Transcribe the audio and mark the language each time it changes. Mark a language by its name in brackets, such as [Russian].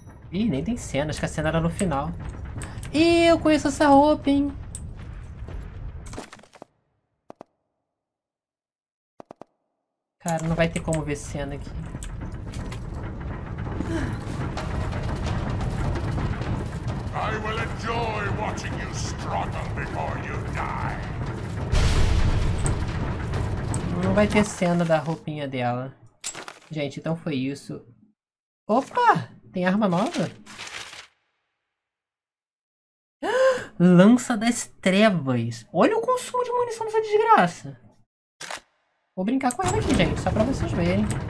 [Portuguese] Ih, nem tem cena. Acho que a cena era no final. Ih, eu conheço essa roupa, hein? Cara, não vai ter como ver cena aqui. [English] I will enjoy watching you struggle before you die. [Portuguese] Não vai ter cena da roupinha dela. Gente, então foi isso. Opa! Tem arma nova? Lança das trevas. Olha o consumo de munição dessa desgraça. Vou brincar com ela aqui, gente. Só pra vocês verem.